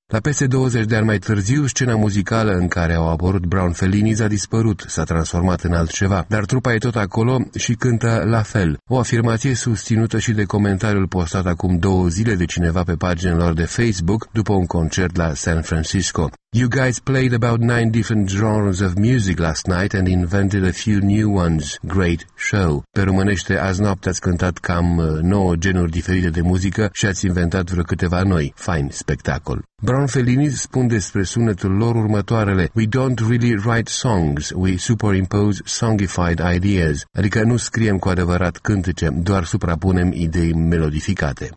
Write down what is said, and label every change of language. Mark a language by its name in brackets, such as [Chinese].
[Romanian] La peste 20 de ani mai târziu, scena muzicală în care au apărut Brown Felinis a dispărut, s-a transformat în altceva. Dar trupa e tot acolo și cântă la fel. O afirmație susținută și de comentariul postat acum două zile de cineva pe paginile lor de Facebook după un concert la San Francisco. [English] You guys played about 9 different genres of music last night and invented a few new ones. Great show. [Romanian] Pe românește, azi noapte ați cântat cam 9 genuri diferite de muzică și ați inventat vreo câteva noi. Fine spectacol. Brown Felinis spun despre sunetul lor următoarele: [English] We don't really write songs, we superimpose songified ideas. [Romanian] Adică nu scriem cu adevărat cântece, doar suprapunem idei melodificate.